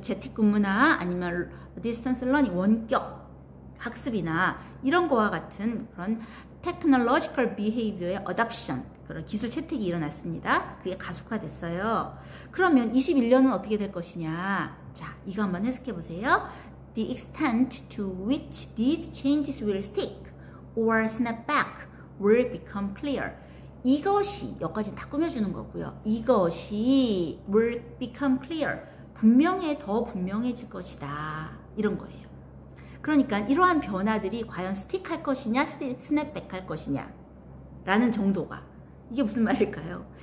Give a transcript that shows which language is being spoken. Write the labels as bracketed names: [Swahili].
[Korean] 재택근무나 아니면 [English] distance learning, [Korean] 원격 학습이나 이런 거와 같은 그런 [English] technological behavior [Korean] 의 adoption, 그런 기술 채택이 일어났습니다. 그게 가속화됐어요. 그러면 21년은 어떻게 될 것이냐? 자, 이거 한번 해석해 보세요. [English] The extent to which these changes will stick or snap back will become clear. [Korean] 이것이, 여기까지 다 꾸며주는 거고요. 이것이 [English] will become clear. [Korean] 분명해, 더 분명해질 것이다. 이런 거예요. 그러니까 이러한 변화들이 과연 스틱할 것이냐, 스냅백 할 것이냐 라는 정도가, 이게 무슨 말일까요?